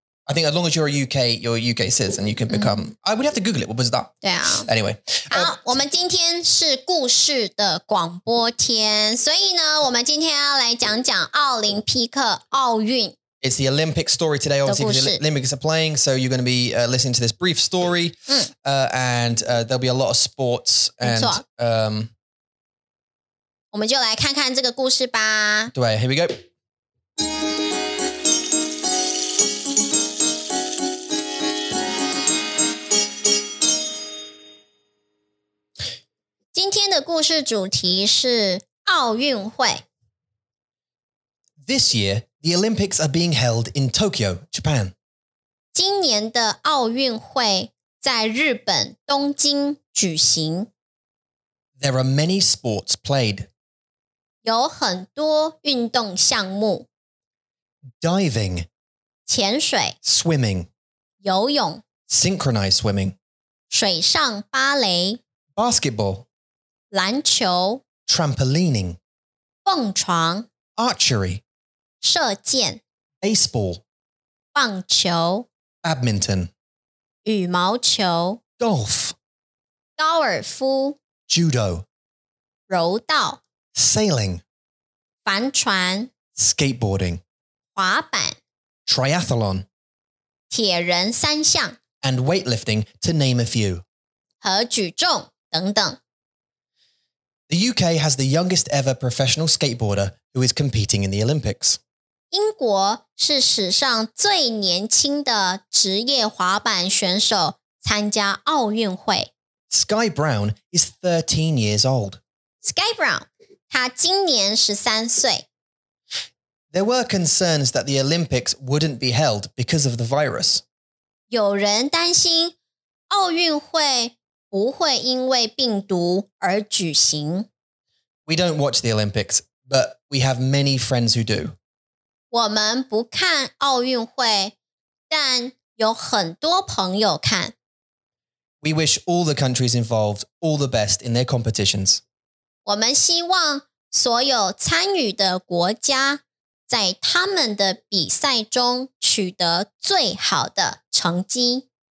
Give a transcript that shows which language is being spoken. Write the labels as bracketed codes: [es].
[en] I think as long as you're a UK, you're a UK citizen, you can become...、Mm-hmm. I would have to Google it, what was that? Yeah. Anyway. [zh] 好、我们今天是故事的广播天。所以呢我们今天要来讲讲奥林匹克奥运。 [en] It's the Olympic story today, obviously, because the Olympics are playing, so you're going to be、listening to this brief story,、and there'll be a lot of sports. [zh] 没错。我们就来看看这个故事吧。 [en] 对 here we go. [zh] 今天的故事主题是奥运会。 [en] This year, the Olympics are being held in Tokyo, Japan. [zh] 今年的奥运会在日本东京举行。 [en] There are many sports played. [zh] 有很多运动项目。 [en] Diving. [zh] 潜水。 [en] Swimming. [zh] 游泳。 [en] Synchronized swimming. [zh] 水上芭蕾。 [en] Basketball. [zh] 篮球 [en] Trampolining [zh] 蹦床 [en] Archery [zh] 射箭 [en] Baseball [zh] 棒球 [en] Badminton [zh] 羽毛球 [en] Golf [zh] 高尔夫 [en] Judo [zh] 柔道 [en] Sailing [zh] 帆船 [en] Skateboarding [zh] 滑板 [en] Triathlon [zh] 铁人三项 [en] And weightlifting to name a few [zh] 和举重等等 [en] The UK has the youngest ever professional skateboarder who is competing in the Olympics. [zh] 英国是史上最年轻的职业滑板选手参加奥运会。 [en] Skye Brown is 13 years old. [zh] Skye Brown, 她今年13岁。 [en] There were concerns that the Olympics wouldn't be held because of the virus. [zh] 有人担心奥运会不会因为病毒而举行。 [en] We don't watch the Olympics, but we have many friends who do. [zh] 我们不看奥运会,但有很多朋友看。 [en] We wish all the countries involved all the best in their competitions. [zh] 我们希望所有参与的国家在他们的比赛中取得最好的成绩。